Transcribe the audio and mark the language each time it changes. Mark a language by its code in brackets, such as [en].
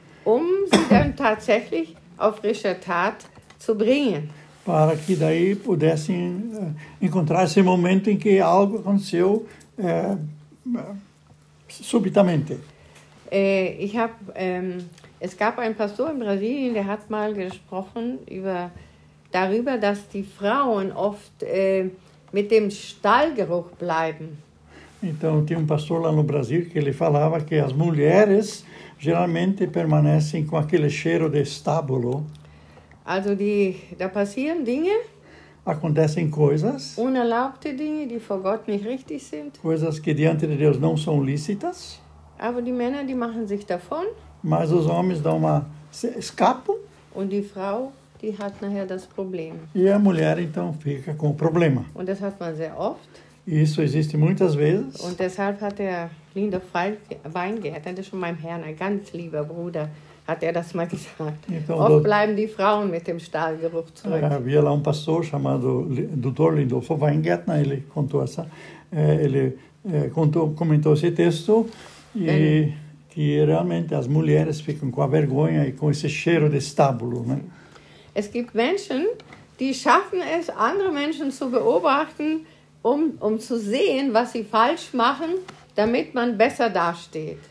[de] um sie dann tatsächlich auf frischer Tat zu bringen. [pt] Para que daí pudessem encontrar esse momento em que algo aconteceu subitamente. [de] Es gab ein Pastor in Brasilien, der hat mal gesprochen darüber, dass die Frauen oft mit dem Stallgeruch bleiben. [pt] Então, tinha pastor lá no Brasil que ele falava que as mulheres geralmente permanecem com aquele cheiro de estábulo. [de] Also da passieren Dinge. [pt] Acontecem coisas. [de] Unerlaubte Dinge, die vor Gott nicht richtig sind. [pt] Coisas que diante de Deus não são lícitas. [de] Aber die Männer, die machen sich davon. [pt] Mas os homens dão uma escapam. [de] Und die Frau, die hat nachher das Problem. [pt] E a mulher então fica com o problema. [de] Und das hat man sehr oft. [pt] Isso existe muitas vezes. [de] Und deshalb hat der Linda Weingärtner, der ist schon meinem Herrn ein ganz lieber Bruder, hat das mal gesagt. Então, oft bleiben die Frauen mit dem Stahlgeruch zurück. [pt] Havia lá pastor chamado Dr. Lindolfo Weingärtner, ele contou essa, ele contou, comentou esse texto e que realmente as mulheres ficam com a vergonha e com esse cheiro de estábulo, né? [de] Es gibt Menschen, die schaffen es, andere Menschen zu beobachten, um zu sehen, was sie falsch machen, damit man besser dasteht.